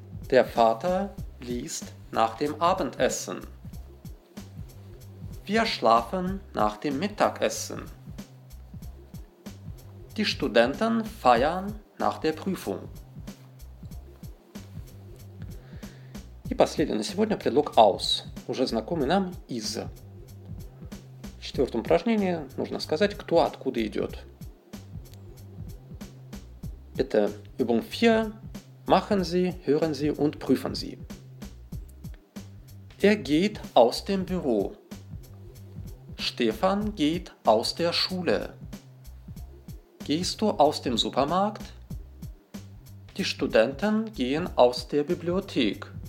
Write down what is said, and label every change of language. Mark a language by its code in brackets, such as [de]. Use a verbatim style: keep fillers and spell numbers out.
[de] Der Vater liest nach dem Abendessen. Wir schlafen nach dem Mittagessen. Die Studenten feiern nach der Prüfung. [ru] И последний на сегодня предлог aus, уже знакомый нам из. В четвертом упражнении нужно сказать, кто откуда идет. Это [de] Übung vier. Machen Sie, hören Sie und prüfen Sie. Er geht aus dem Büro. Stefan geht aus der Schule. Gehst du aus dem Supermarkt? Die Studenten gehen aus der Bibliothek.